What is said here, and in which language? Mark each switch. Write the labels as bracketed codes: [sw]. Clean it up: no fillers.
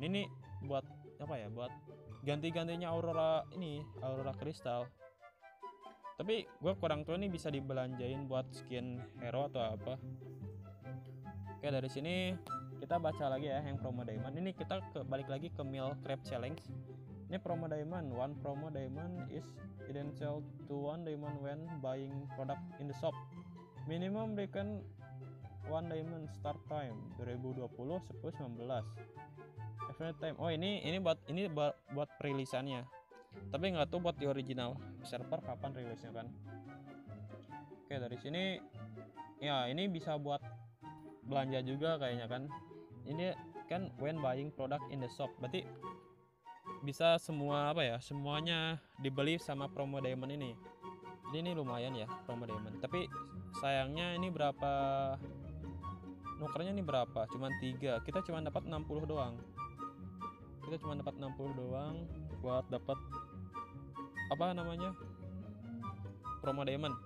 [id] Ini buat apa ya, buat ganti-gantinya aurora ini, aurora kristal. Tapi gue kurang tahu ini bisa dibelanjain buat skin hero atau apa. Oke, dari sini kita baca lagi ya yang promo diamond. Ini kita balik lagi ke meal crab challenge. [en] Ini promo diamond, one promo diamond is identical to one diamond when buying product in the shop. Minimum return one diamond start time 2020-10-19. Every time. [id] Oh, ini buat perilisannya. Tapi enggak tahu buat di original server kapan rilisnya kan. Oke, dari sini ya, ini bisa buat belanja juga kayaknya kan. Ini kan [en] when buying product in the shop. [id] Berarti bisa semua apa ya, semuanya dibeli sama promo diamond ini. Jadi ini lumayan ya promo diamond. Tapi sayangnya ini berapa nukernya, ini berapa? Cuman 3. Kita cuma dapat 60 doang. Kita cuma dapat 60 doang buat dapat apa namanya, promo diamond.